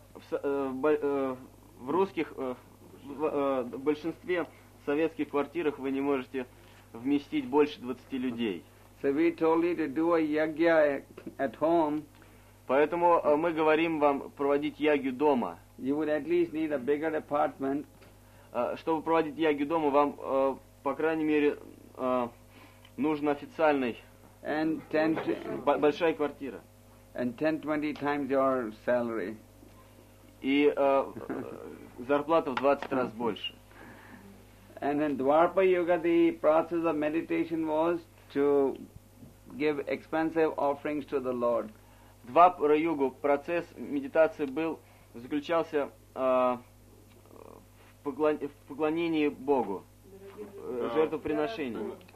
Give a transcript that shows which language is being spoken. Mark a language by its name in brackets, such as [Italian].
[Russian] В русских в большинстве советских квартирах вы не можете вместить больше 20 людей. [English] So we told you to do a yagya at home. [Russian] Поэтому мы говорим вам проводить ягью дома. [English] You would at least need a bigger apartment. [Russian] Чтобы проводить ягью дома, вам, по крайней мере, нужен официальный, [English] and 10 to, [Russian] большая квартира. [English] And 10-20 times your salary. [Russian] И зарплата в 20 раз больше. [English] And in Dwarpa Yuga, the process of meditation was to give expensive offerings to the Lord. [Russian] Двапара-югу процесс медитации был, заключался в поклонении Богу, жертвоприношении.